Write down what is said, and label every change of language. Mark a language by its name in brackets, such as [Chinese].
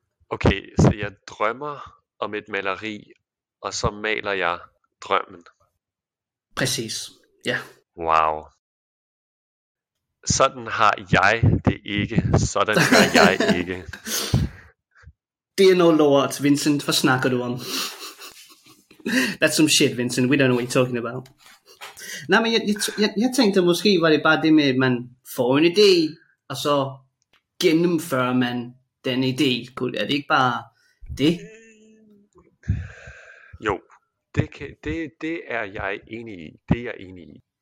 [Danish] Okay, så jeg drømmer om et maleri, og så maler jeg drømmen. Præcis, ja. Wow. Sådan har jeg det ikke. Sådan har jeg ikke. Det er noget lort, Vincent. Hvad snakker du om? [English] That's some shit, Vincent. We don't know what you're talking about. [Danish] Nej, men jeg tænkte, måske var det bare det med, at man får en idé, og så gennemfører man den idé. Er det ikke bare det? Jo, det er jeg enig i. Det er jeg enig i.